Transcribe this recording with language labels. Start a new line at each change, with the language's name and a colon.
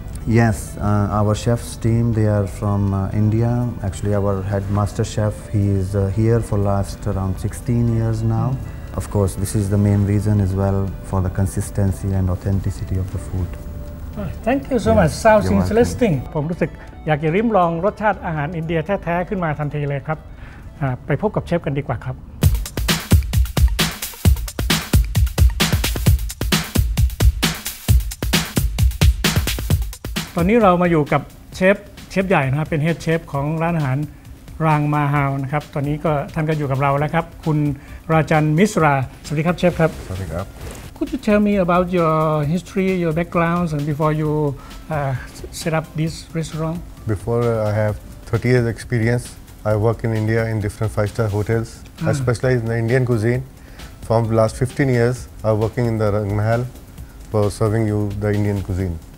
English: Yes, our chef's team, they are from India. Actually, our head master chef, he is here for last around 16 years now. Of course, this is the main reason as well for the consistency and authenticity of the food. Thank you so much. Sounds interesting.
Thai: ผมรู้สึกอยากจะริมลองรสชาติอาหารอินเดียแท้ๆขึ้นมาทันทีเลยครับไปพบกับเชฟกันดีกว่าครับตอนนี้เรามาอยู่กับเชฟใหญ่นะครับเป็นเฮดเชฟของร้านอาหารรางมาฮาวนะครับตอนนี้ก็ท่านก็อยู่กับเราแล้วครับคุณราจันมิสราสวัสดีครับเชฟครับ สวัสดีครับ
English: Could you tell me about your history, your background, and before you set up this restaurant? Before I have 30 years experience. I work in India in different five-star hotels. I specialize in the Indian cuisine. From last 15 years, I'm working in the Rang Mahal for serving you the Indian cuisine.